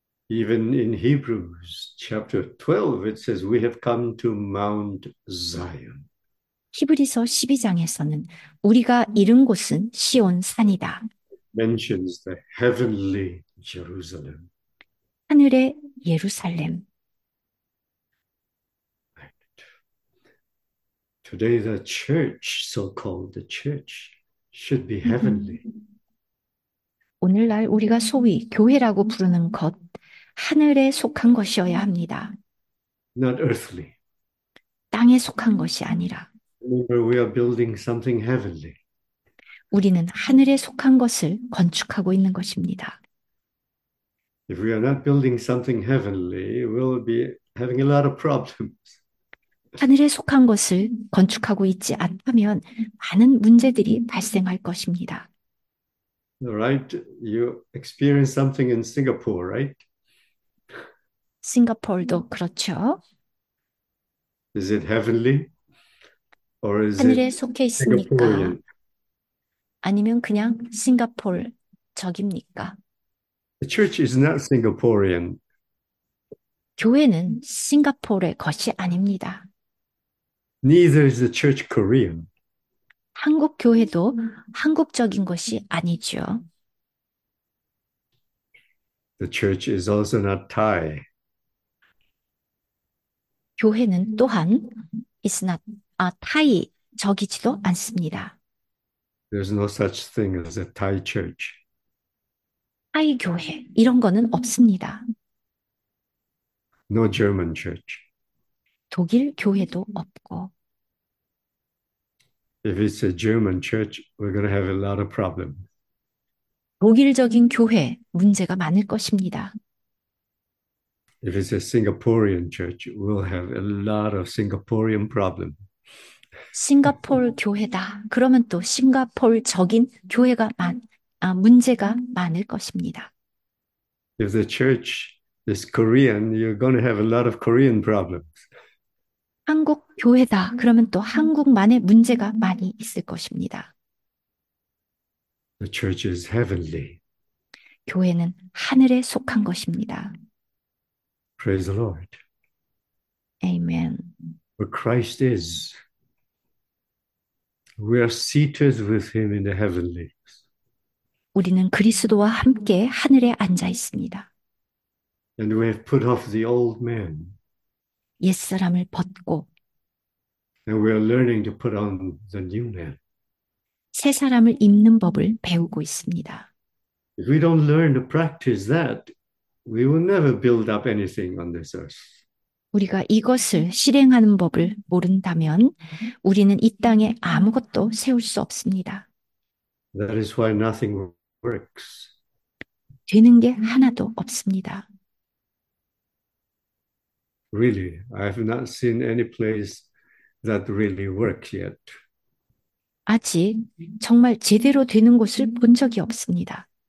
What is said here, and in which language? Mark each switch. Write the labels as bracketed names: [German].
[English] Even in Hebrews chapter 12, it says, We have come to Mount Zion. [Korean] 히브리서 12장에서는 우리가 이른 곳은 시온 산이다. [English] Mentions the heavenly Jerusalem. [Korean] 하늘의 예루살렘. [English] Today, the church, so-called the church, should be heavenly. [Korean] 오늘날 우리가 소위 교회라고 부르는 것, 하늘에 속한 것이어야 합니다. [English] Not earthly. [Korean] 땅에 속한 것이 아니라 [English] Remember, we are building something heavenly. [Korean] 우리는 하늘에 속한 것을 건축하고 있는 것입니다. [English] If we are not building something heavenly, we'll be having a lot of problems. [Korean] 하늘에 속한 것을 건축하고 있지 않다면 많은 문제들이 발생할 것입니다. [English] Right, you experienced something in Singapore, [Korean] 싱가포르도 그렇죠. [English] is it heavenly or is it [Korean] 하늘에 속해 있습니까? [English] Singaporean? [Korean] 아니면 그냥 싱가포르 적입니까? [English] The church is not Singaporean. [Korean] 교회는 싱가포르의 것이 아닙니다. [English] Neither is the church Korean. [Korean] 한국 교회도 한국적인 것이 아니죠. [English] The church is also not Thai. [Korean] 교회는 또한 [English] is not a Thai [Korean] 적이지도 않습니다. [English] There's no such thing as a Thai church. [Korean] Thai 교회 이런 거는 없습니다. [English] No German church. [Korean] 독일 교회도 없고. [English] If it's a German church, we're going to have a lot of problems. [Korean] 독일적인 교회 문제가 많을 것입니다. [English] If it's a Singaporean church, we'll have a lot of Singaporean problems. [Korean] 싱가포르 교회다. 그러면 또 싱가포르적인 교회가 문제가 많을 것입니다. [English] If the church is Korean, you're going to have a lot of Korean problems. [Korean] 한국 교회다. 그러면 또 한국만의 문제가 많이 있을 것입니다. [English] The church is heavenly. [Korean] 교회는 하늘에 속한 것입니다. [English] Praise the Lord. Amen. But Christ is. We are seated with him in the heavenlies. [Korean] 우리는 그리스도와 함께 하늘에 앉아 있습니다. [English] And we have put off the old man. [Korean] 옛사람을 벗고 [English] And we are learning to put on the new man. [Korean] 새 사람을 입는 법을 배우고 있습니다. [English] If we don't learn to practice that, we will never build up anything on this earth. [Korean] 우리가 이것을 실행하는 법을 모른다면 우리는 이 땅에 아무것도 세울 수 없습니다. [English] That is why nothing works. [Korean] 되는 게 하나도 없습니다. [English] Really, I have not seen any place that really works yet. [Korean] 아직 정말 제대로 되는 곳을 본 적이 없습니다.